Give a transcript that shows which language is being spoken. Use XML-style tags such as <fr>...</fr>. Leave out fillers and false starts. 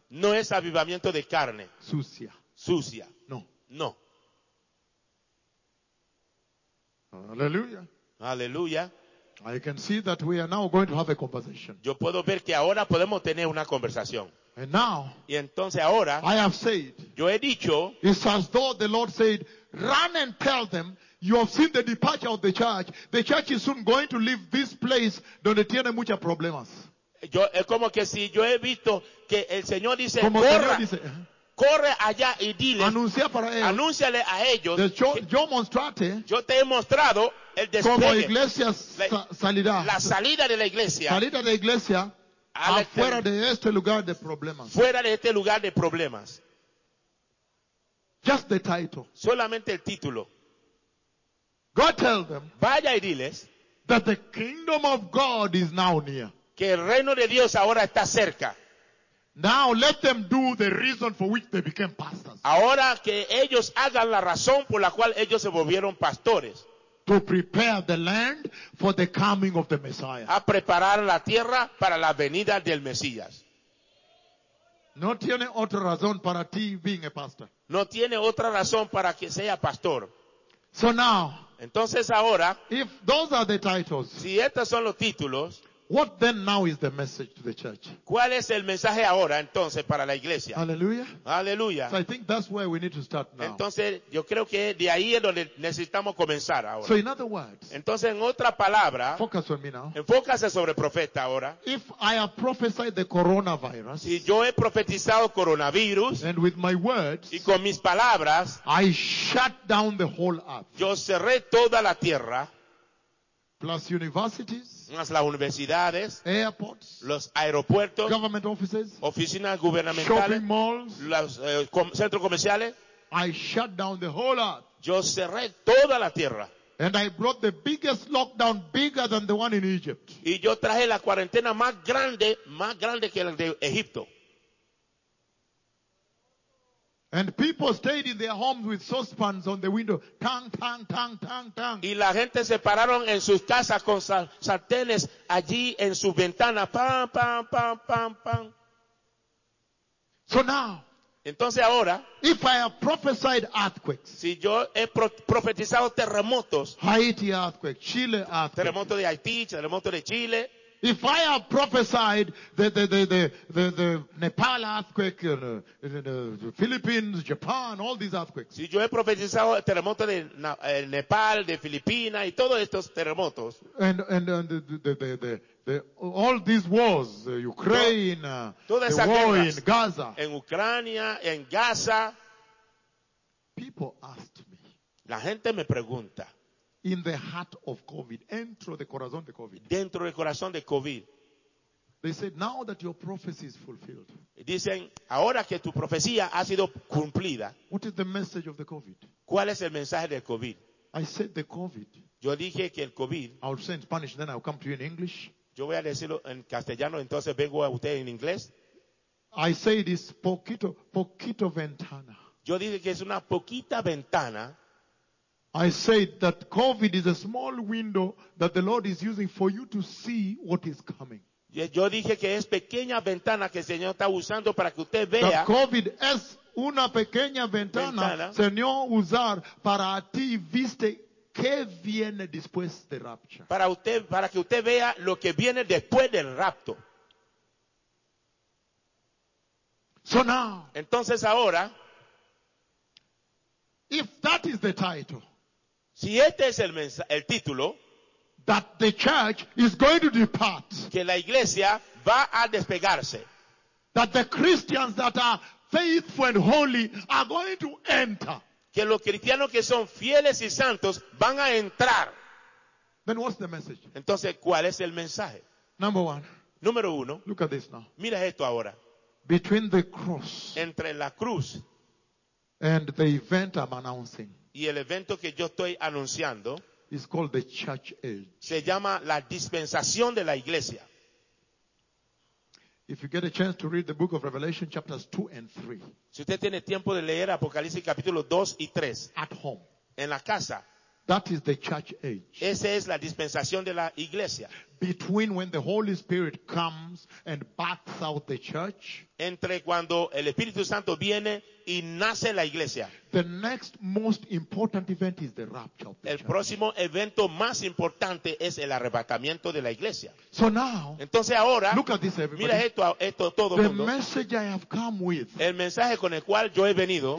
<es>No es avivamiento de carne. Sucia. Sucia. No. No. Aleluya. Aleluya.</es> <en>I can see that we are now going to have a conversation.</en> <es>Yo puedo ver que ahora podemos tener una conversación.</es> <en>And now,</en> <es>y entonces ahora,</es> <en>I have said,</en> <es>yo he dicho,</es> <en>it's as though the Lord said, run and tell them, you have seen the departure of the church. The church is soon going to leave this place</en> <es>donde tiene muchos problemas. Yo, es como que si yo he visto que el Señor dice, como corra, dice, corre allá y dile, anuncia para ellos, anúnciale a ellos, yo mostrate, yo te he mostrado el despliegue, como iglesia salida, la salida de la iglesia, salida de iglesia, afuera de este lugar de problemas, fuera de este lugar de problemas.</es> <en>Just the title.</en> <es>Solamente el título.</es> <en>Go tell them.</en> <es>Vaya y diles.</es> <en>That the kingdom of God is now near.</en> <es>Que el reino de Dios ahora está cerca.</es> <en>Now let them do the reason for which they became pastors.</en> <es>Ahora que ellos hagan la razón por la cual ellos se volvieron pastores.</es> <en>To prepare the land for the coming of the Messiah.</en> <es>A preparar la tierra para la venida del Mesías. No tiene otra razón para ti</es> <en>being a pastor.</en> <es>No tiene otra razón para que sea pastor.</es> <en>So now,</en> <es>entonces ahora,</es> <en>if those are the titles,</en> <es>si estos son los títulos,</es> <en>what then now is the message to the church?</en> <es>¿Cuál es el mensaje ahora entonces para la iglesia?</es> <en>Hallelujah. Hallelujah. So I think that's where we need to start now.</en> <es>Entonces yo creo que de ahí es donde necesitamos comenzar ahora.</es> <en>So in other words,</en> <es>entonces en otra palabra,</es> <en>focus on me now.</en> <es>Enfócase sobre el profeta ahora.</es> <en>If I have prophesied the coronavirus,</en> <es>si yo he profetizado coronavirus,</es> <en>and with my words,</en> <es>y con mis palabras,</es> <en>I shut down the whole earth.</en> <es>Yo cerré toda la tierra.</es> <en>Plus universities,</en> <es>más las universidades,</es> <en>airports,</en> <es>los aeropuertos,</es> <en>government offices,</en> <es>oficinas gubernamentales,</es> <en>shopping malls,</en> <es>los centros comerciales.</es> <en>I shut down the whole earth.</en> <es>Yo cerré toda la tierra.</es> <en>And I brought the biggest lockdown, bigger than the one in Egypt.</en> <es>Y yo traje la cuarentena más grande que la de Egipto.</es> <en>And people stayed in their homes with saucepans on the window. Tang, tang, tang, tang, tang.</en> <es>Y la gente se pararon en sus casas con sartenes allí en su ventana. Pam, pam, pam, pam, pam.</es> <en>So now.</en> <es>Entonces ahora.</es> <en>If I have prophesied earthquakes.</en> <es>Si yo he profetizado terremotos.</es> <en>Haiti earthquake, Chile earthquake.</en> <es>Terremoto de Haití, terremoto de Chile.</es> <en>If I have prophesied the Nepal earthquake, the Philippines, Japan, all these earthquakes.</en> <es>Si yo he profetizado el terremoto de Nepal, de Filipinas y todos estos terremotos.</es> <en>And all these wars, Ukraine,</en> <es>toda</es> <en>the war</en> <es>guerras,</es> <en>in Gaza.</en> <es>En Ucrania, en Gaza.</es> <en>People asked me.</en> <es>La gente me pregunta.</es> <en>In the heart of COVID,</en> <es>dentro del corazón de COVID. Dentro del corazón de COVID.</es> <en>They said, now that your prophecy is fulfilled.</en> <es>Dicen, ahora que tu profecía ha sido cumplida.</es> <en>What is the message of the COVID?</en> <es>¿Cuál es el mensaje del COVID?</es> <en>I said the COVID.</en> <es>Yo dije que el COVID.</es> <en>I'll say in Spanish, then I'll come to you in English.</en> <es>Yo voy a decirlo en castellano, entonces vengo a usted en inglés.</es> <en>I say it is</en> <es>poquito, poquito ventana. Yo dije que es una poquita ventana.</es> <en>I said that COVID is a small window that the Lord is using for you to see what is coming.</en> <es>Yo dije que es pequeña ventana que el Señor está usando para que usted vea.</es> <en>That COVID</en> <es>es una pequeña ventana, Señor usar para ti viste que viene después del rapture. Para que usted vea lo que viene después del rapto.</es> <en>So now.</en> <es>Entonces ahora.</es> <en>If that is the title.</en> <es>Si este es el título,</es> <en>that the church is going to depart,</en> <es>que la iglesia va a despegarse,</es> <en>that the Christians that are faithful and holy are going to enter,</en> <es>que los cristianos que son fieles y santos van a entrar,</es> <en>then what's the message?</en> <es>Entonces, ¿cuál es el mensaje?</es> <en>Number one.</en> <es>Número uno.</es> <en>Look at this now.</en> <es>Mira esto ahora.</es> <en>Between the cross,</en> <es>entre la cruz,</es> <en>and the event I'm announcing.</en> <es>Y el evento que yo estoy anunciando</es> <en>is called the church age.</en> <es>Se llama la dispensación de la iglesia.</es> <en>If you get a chance to read the book of Revelation chapters 2 and 3.</en> <es>Si usted tiene tiempo de leer Apocalipsis capítulo 2 y 3.</es> <en>At home.</en> <es>En la casa.</es> <en>That is the church age.</en> <es>Esa es la dispensación de la iglesia.</es> <en>Between when the Holy Spirit comes and births out the church.</en> <es>Entre cuando el Espíritu Santo viene y nace la iglesia.</es> <en>The next most important event is the rapture of the</en> <es>church. El próximo evento más importante es el arrebatamiento de la iglesia.</es> <en>So now,</en> <es>entonces ahora,</es> <en>look at this, everybody.</en> <es>Mira esto, esto todo</es> <en>the</en> <es>mundo.</es> <en>Message I have come with,</en> <es>el mensaje con el cual yo he venido,</es>